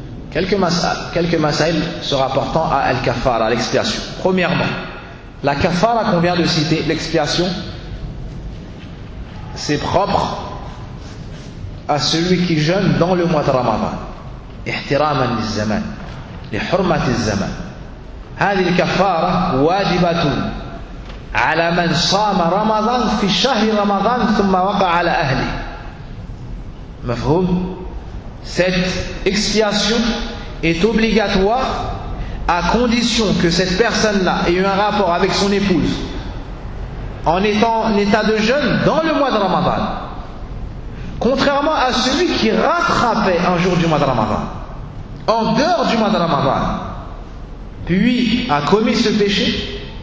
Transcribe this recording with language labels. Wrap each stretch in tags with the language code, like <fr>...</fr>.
<fr>Quelques masailles se rapportant à Al-Kafara, à l'expiation. Premièrement, la Kafara qu'on vient de citer, l'expiation, c'est propre à celui qui jeûne dans le mois de Ramadan.</fr> <ar>Ihtiraman lizzaman, li hurmati zaman. Hadhihi al-Kafara wajibatun على من صام رمضان في شهر رمضان ثم وقع على أهله.</ar> <fr>مفهوم؟ Cette expiation est obligatoire à condition que cette personne-là ait eu un rapport avec son épouse en étant en état de jeûne dans le mois de Ramadan. Contrairement à celui qui rattrapait un jour du mois de Ramadan, en dehors du mois de Ramadan, puis a commis ce péché.</fr>